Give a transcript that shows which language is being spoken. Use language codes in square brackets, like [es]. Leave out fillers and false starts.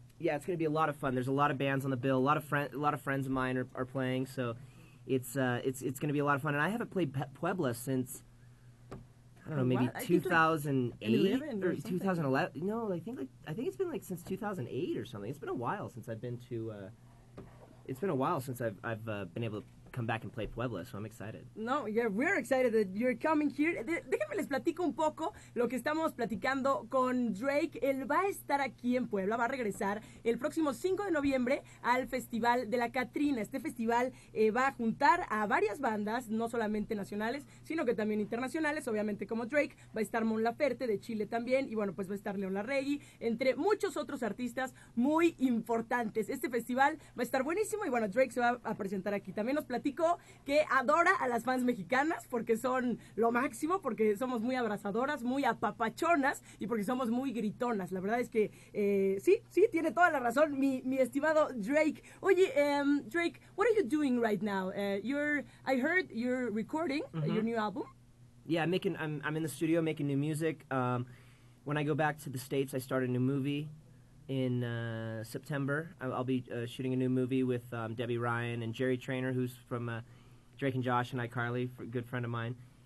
[en] Yeah, it's going to be a lot of fun. There's a lot of bands on the bill. A lot of friends of mine are playing, so it's going to be a lot of fun. And I haven't played Puebla since, I don't know, maybe 2008 or 2011. No, I think it's been like since 2008 or something. It's been a while since I've been to. It's been a while since I've been able to come back and play Puebla, so I'm excited. No, yeah, we're excited that you're coming here. [es] Déjenme les platico un poco lo que estamos platicando con Drake. Él va a estar aquí en Puebla, va a regresar el próximo 5 de noviembre al Festival de la Catrina. Este festival va a juntar a varias bandas, no solamente nacionales, sino que también internacionales, obviamente como Drake. Va a estar Mon Laferte de Chile también, y bueno, pues va a estar León Larregui, entre muchos otros artistas muy importantes. Este festival va a estar buenísimo, y bueno, Drake se va a presentar aquí. También nos platico que adora a las fans mexicanas porque son lo máximo, porque somos muy abrazadoras, muy apapachonas y porque somos muy gritonas. La verdad es que sí, tiene toda la razón mi estimado Drake. [en] Oye, Drake, what are you doing right now? I heard you're recording mm-hmm. your new album. Yeah, I'm in the studio making new music. When I go back to the States, I start a new movie. In September, I'll be shooting a new movie with Debbie Ryan and Jerry Trainer, who's from Drake and Josh and iCarly, a good friend of mine.